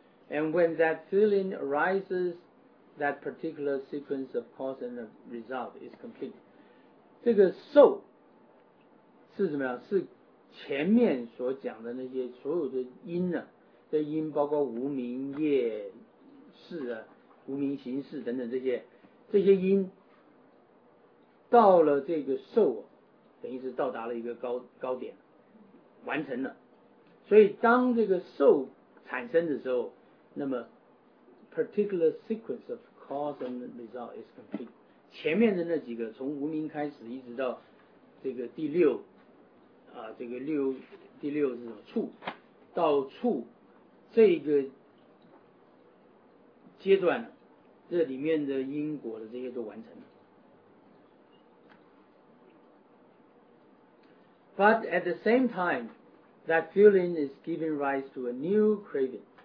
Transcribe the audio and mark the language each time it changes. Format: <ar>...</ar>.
<en>And when that feeling arises, that particular sequence of cause and result is complete.</en> <zh>这个受是什么样？是前面所讲的那些所有的因呢、啊？这因包括无明业事啊、无明行事等等这些因。到了这个受，等于是到达了一个 高点，完成了。所以当这个受产生的时候，那么</zh> <en>particular sequence of cause and result is complete。</en> <zh>前面的那几个从无明开始一直到这个第六啊，这个六，第六是什么？处，到处这个阶段，这里面的因果的这些都完成了。</zh> <en>But at the same time, that feeling is giving rise to a new craving.</en>